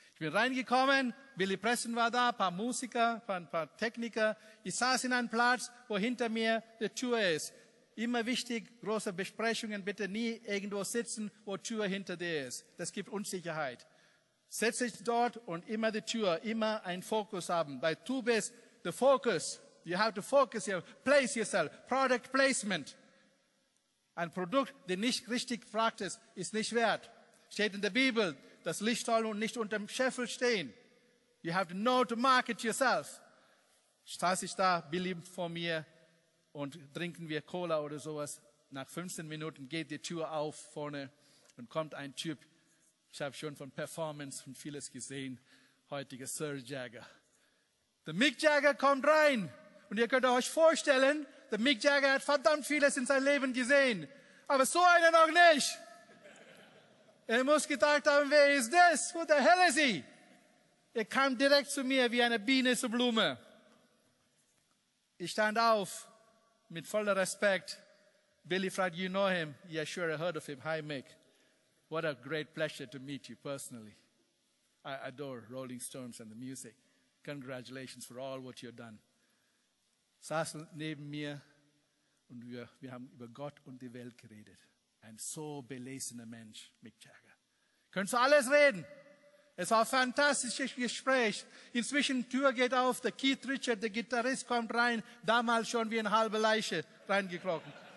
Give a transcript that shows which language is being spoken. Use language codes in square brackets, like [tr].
[de] Ich bin reingekommen, Billy Preston war da, ein paar Musiker, ein paar Techniker. Ich saß in einem Platz, wo hinter mir die Tür ist. Immer wichtig, große Besprechungen, bitte nie irgendwo sitzen, wo Tür hinter dir ist. Das gibt Unsicherheit. Setze dich dort und immer die Tür, immer einen Fokus haben. Weil du bist der Fokus. [en] You have to focus here, place yourself, product placement. [de] Ein Produkt, das nicht richtig gefragt ist, ist nicht wert. Steht in der Bibel, das Licht soll nicht unter dem Scheffel stehen. [en] You have to know to market yourself. [de] Saß ich da, Billy vor mir und trinken wir Cola oder sowas. Nach 15 Minuten geht die Tür auf vorne und kommt ein Typ. Ich habe schon von Performance und vieles gesehen, heutiger Sir Jagger. Der Mick Jagger kommt rein. Und ihr könnt euch vorstellen, der Mick Jagger hat verdammt vieles in seinem Leben gesehen. Aber so einer noch nicht. Er muss gedacht haben, wer ist das? [en] Who the hell is he? [de] Er kam direkt zu mir wie eine Biene zur Blume. Ich stand auf mit voller Respekt. Billy fragt, [en] you know him? Yeah, sure, I heard of him. Hi, Mick. What a great pleasure to meet you personally. I adore Rolling Stones and the music. Congratulations for all what you've done. [de] Saß neben mir Und wir haben über Gott und die Welt geredet. Ein so belesener Mensch, Mick Jagger. Könntest du alles reden? Es war ein fantastisches Gespräch. Inzwischen, Tür geht auf, der Keith Richard, der Gitarrist, kommt rein, damals schon wie eine halbe Leiche reingekrochen.